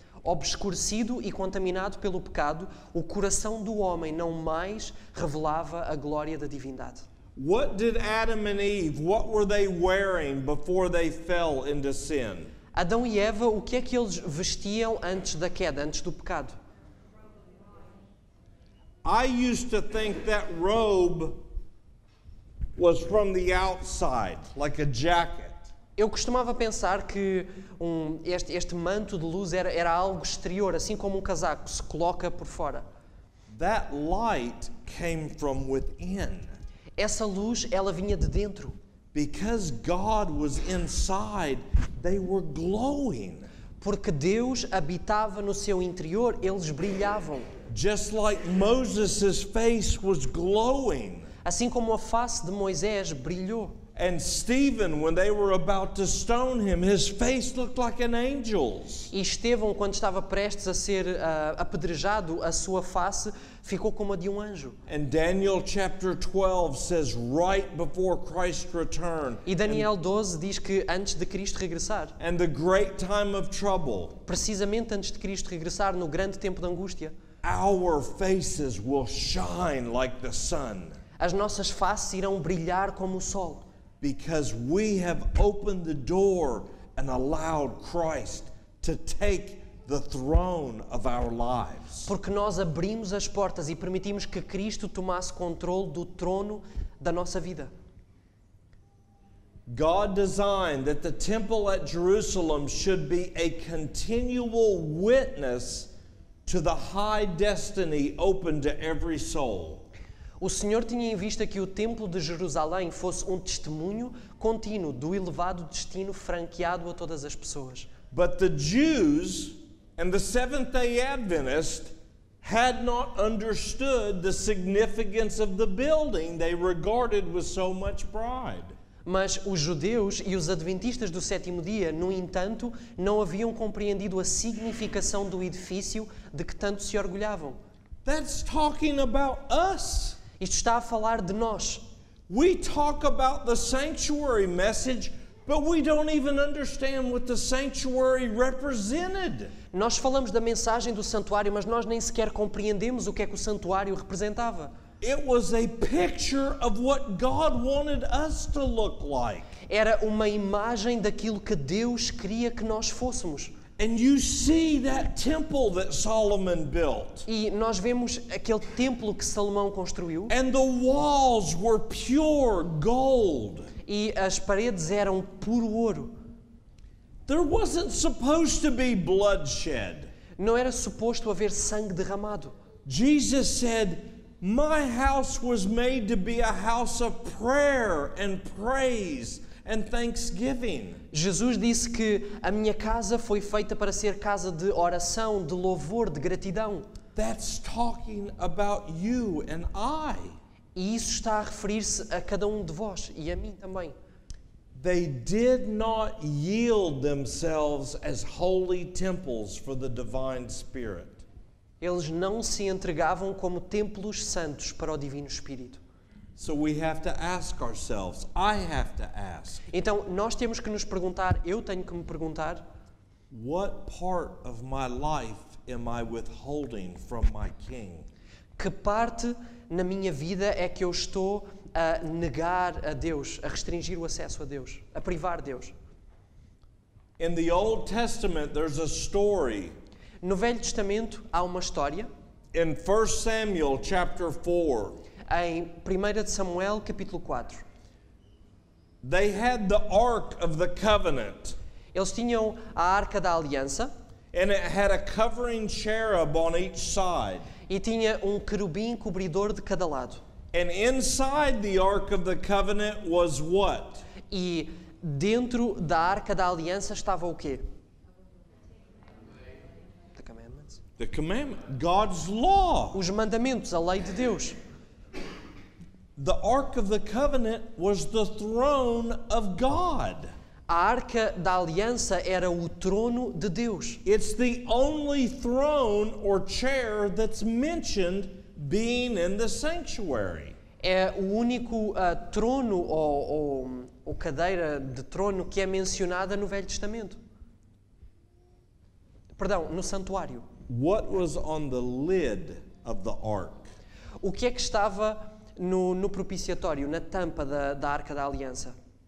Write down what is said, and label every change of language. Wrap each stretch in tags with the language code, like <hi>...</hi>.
<pt>Obscurecido e contaminado pelo pecado, o coração do homem não mais revelava a glória da divindade.</pt> <en>What did Adam and Eve, what were they wearing before they fell into sin?</en> <pt>Adão e Eva, o que é que eles vestiam antes da queda, antes do pecado?</pt> <en>I used to think that robe was from the outside, like a jacket.</en> <pt>Eu costumava pensar que este manto de luz era algo exterior, assim como um casaco se coloca por fora.</pt> <en>That light came from within.</en> <pt>Essa luz, ela vinha de dentro.</pt> <en>Because God was inside, they were glowing.</en> <pt>Porque Deus habitava no seu interior, eles brilhavam.</pt> <en>Just like Moses' face was glowing.</en> <pt>Assim como a face de Moisés brilhou.</pt> <en>And Stephen, when they were about to stone him, his face looked like an angel's.</en> <pt>E Estevão, quando estava prestes a ser apedrejado, a sua face ficou como a de um anjo.</pt> <en>And Daniel chapter 12 says right before Christ's return.</en> <pt>E Daniel 12 diz que antes de Cristo regressar.</pt> <en>And the great time of trouble.</en> <pt>Precisamente antes de Cristo regressar, no grande tempo da angústia.</pt> <en>Our faces will shine like the sun.</en> <pt>As nossas faces irão brilhar como o sol.</pt> <en>Because we have opened the door and allowed Christ to take the throne of our lives.</en> <pt>Porque nós abrimos as portas e permitimos que Cristo tomasse controle do trono da nossa vida.</pt> <en>God designed that the temple at Jerusalem should be a continual witness to the high destiny open to every soul.</en> <pt>O Senhor tinha em vista que o Templo de Jerusalém fosse um testemunho contínuo do elevado destino franqueado a todas as pessoas.</pt> <en>But the Jews and the Seventh-day Adventists had not understood the significance of the building they regarded with so much pride.</en> <pt>Mas os judeus e os adventistas do sétimo dia, no entanto, não haviam compreendido a significação do edifício de que tanto se orgulhavam.</pt> <en>That's talking about us.</en> <pt>Isto está a falar de nós.</pt> <en>We talk about the sanctuary message, but we don't even understand what the sanctuary represented.</en> <pt>Nós falamos da mensagem do santuário, mas nós nem sequer compreendemos o que é que o santuário representava.</pt> <en>It was a picture of what God wanted us to look like.</en> <pt>Era uma imagem daquilo que Deus queria que nós fôssemos.</pt> <en>And you see that temple that Solomon built.</en> <pt>E nós vemos aquele templo que Salomão construiu.</pt> <en>And the walls were pure gold.</en> <pt>E as paredes eram puro ouro.</pt> <en>There wasn't supposed to be bloodshed.</en> <pt>Não era suposto haver sangue derramado.</pt> <en>Jesus said, "My house was made to be a house of prayer and praise." And thanksgiving.</en> <pt>Jesus disse que a minha casa foi feita para ser casa de oração, de louvor, de gratidão.</pt> <en>That's talking about you and I.</en> <pt>E isso está a referir-se a cada um de vós e a mim também.</pt> <en>They did not yield themselves as holy temples for the divine spirit.</en> <pt>Eles não se entregavam como templos santos para o divino espírito.</pt> <en>So we have to ask ourselves. I have to ask.</en> <pt>Então nós temos que nos perguntar. Eu tenho que me perguntar.</pt> <en>What part of my life am I withholding from my King?</en> <pt>Que parte na minha vida é que eu estou a negar a Deus, a restringir o acesso a Deus, a privar Deus?</pt> <en>In the Old Testament, there's a story.</en> <pt>No Velho Testamento há uma história.</pt> <en>In 1 Samuel chapter 4.</en> <pt>Em 1 Samuel, capítulo 4.</pt> <en>They had the Ark of the Covenant.</en> <pt>Eles tinham a Arca da Aliança.</pt> <en>And it had a covering cherub on each side.</en> <pt>E tinha um querubim cobridor de cada lado.</pt> <en>And inside the Ark of the Covenant was what?</en> <pt>E dentro da Arca da Aliança estava o quê?</pt> <en>The commandments. The commandment. God's law.</en> <pt>Os mandamentos, a lei de Deus.</pt> <en>The Ark of the Covenant was the throne of God.</en> <pt>A Arca da Aliança era o trono de Deus.</pt> <en>It's the only throne or chair that's mentioned being in the sanctuary.</en> <pt>É o único trono ou cadeira de trono que é mencionada no Velho Testamento. Perdão, no santuário.</pt> <en>What was on the lid of the ark?</en> <pt>O que é que estava no propiciatório, na tampa da Arca da Aliança?</pt>